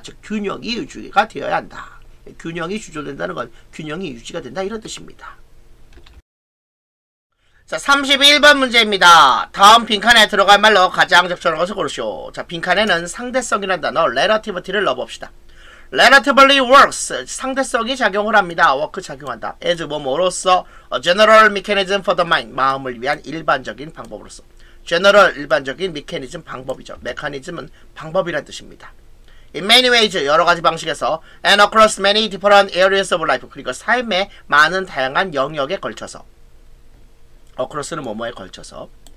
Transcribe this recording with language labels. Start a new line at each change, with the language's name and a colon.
Korean: 즉, 균형이 유지가 되어야 한다. 균형이 주조된다는 건 균형이 유지가 된다. 이런 뜻입니다. 자, 31번 문제입니다. 다음 빈칸에 들어갈 말로 가장 적절한 것을 고르시오. 자, 빈칸에는 상대성이라는 단어, relativity를 넣어봅시다.
English: Relatively works.
Korean: 상대성이 작용을 합니다. Work 작용한다.
English: As
Korean: 뭐뭐로서,
English: a general mechanism for the mind.
Korean: 마음을 위한 일반적인 방법으로서. General, 일반적인 mechanism, 방법이죠. Mechanism은 방법이란 뜻입니다.
English: In many ways,
Korean: 여러 가지 방식에서,
English: and across many different areas of life.
Korean: 그리고 삶의 많은 다양한 영역에 걸쳐서. Across는 뭐뭐에 걸쳐서.